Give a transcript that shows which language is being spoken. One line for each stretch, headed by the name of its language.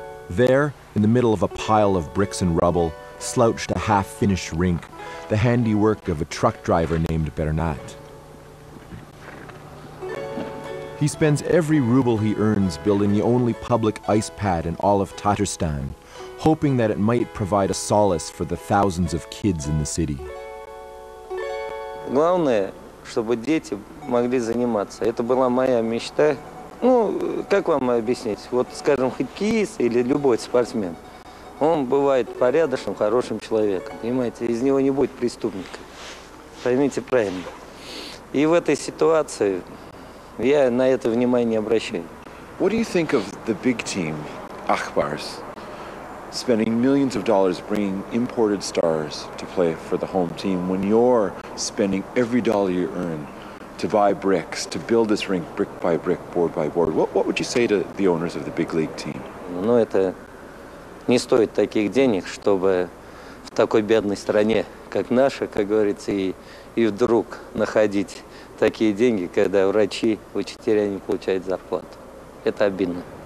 English: There, in the middle of a pile of bricks and rubble, slouched a half-finished rink, the handiwork of a truck driver named Bernat. He spends every ruble he earns building the only public ice pad in all of Tatarstan, hoping that it might provide a solace for the thousands of kids in the city.
Russian: Главное, чтобы дети могли заниматься. Это была моя мечта. Ну, как вам объяснить? Вот, скажем, хоккеист или любой спортсмен, он бывает порядочным, хорошим человеком. Понимаете, из него не будет преступника. Поймите правильно. И в этой ситуации я на это внимание не обращаю.
English: What do you think of the big team, Akbars, spending millions of dollars bringing imported stars to play for the home team when you're spending every dollar you earn to buy bricks, to build this rink brick by brick, board by board? What would you say to the owners of the big league team?
Russian: Ну, это не стоит таких денег, чтобы в такой бедной стране, как наша, как говорится, и вдруг находить такие деньги, когда врачи, учителя не получают зарплату. Это обидно.